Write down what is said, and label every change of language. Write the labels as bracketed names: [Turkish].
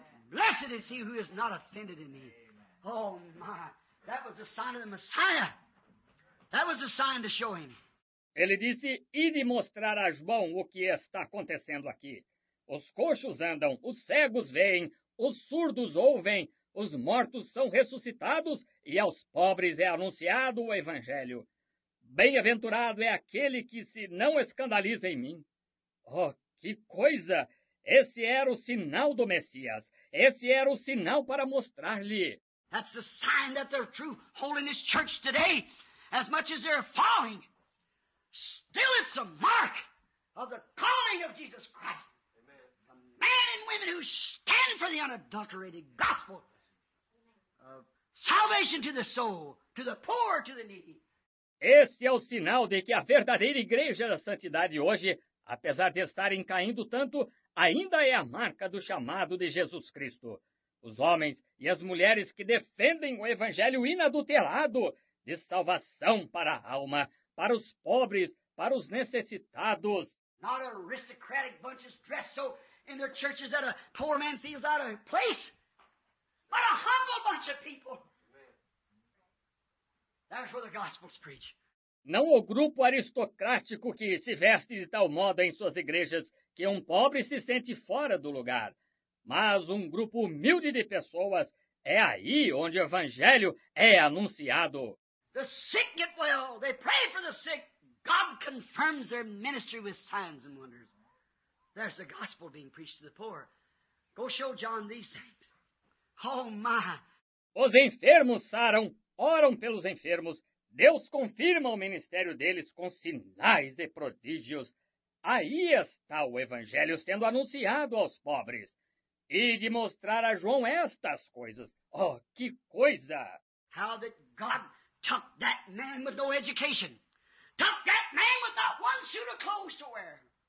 [English] Blessed is he who is not offended in me. Oh my, that was the sign of the Messiah. That was the sign to show him. [Portuguese] Ele disse, ide mostrar a João o que está acontecendo aqui. Os coxos andam, os cegos veem, os surdos ouvem, os mortos são ressuscitados e aos pobres é anunciado o Evangelho. Bem-aventurado é aquele que se não escandaliza em mim. Oh, que coisa! Esse era o sinal do Messias. Esse era o sinal para mostrar-lhe. [English] That's a sign that their true holiness church today, as much as they're falling, still it's a mark of the calling of Jesus Christ. Men and women who stand for the unadulterated gospel of salvation to the soul, to the poor, to the needy. [Portuguese] Esse é o sinal de que a verdadeira igreja da santidade hoje, apesar de estarem caindo tanto, ainda é a marca do chamado de Jesus Cristo. Os homens e as mulheres que defendem o evangelho inadulterado de salvação para a alma, para os pobres, para os necessitados. [English] Not aristocratic bunches dressed so in their churches that a poor man feels out of place, but a humble bunch of people. That's where the gospel's preached. [Portuguese] Não o grupo aristocrático que se veste de tal modo em suas igrejas que um pobre se sente fora do lugar, mas um grupo humilde de pessoas é aí onde o evangelho é anunciado. [English] The sick get well. They pray for the sick. God confirms their ministry with signs and wonders. There's the gospel being preached to the poor. Go show John these things. Oh, my. [Portuguese] Os enfermos saram, oram pelos enfermos. Deus confirma o ministério deles com sinais e prodígios. Aí está o evangelho sendo anunciado aos pobres. E de mostrar a João estas coisas. Oh, que coisa! [English] How that God took that man with no education. Took that man without one suit of clothes to wear.